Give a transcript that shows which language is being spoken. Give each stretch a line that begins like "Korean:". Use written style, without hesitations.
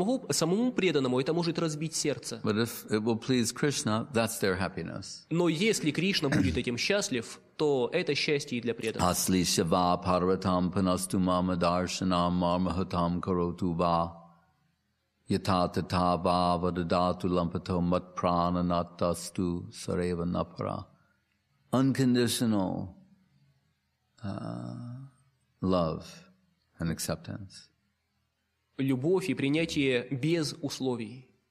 Russian: Самому преданному это может разбить сердце.
English: But if it will please Krishna, that's their happiness.
Russian: Но если Кришна будет этим счастлив, то это счастье и для преданного.
Sanskrit: Аслишава парватам панасту мама даршанам мармахатам кароту ва ятататта ва вададату лампато мат прананаттасту сарева напара.
English: Unconditional love and acceptance.
Russian: Любовь и принятие без условий.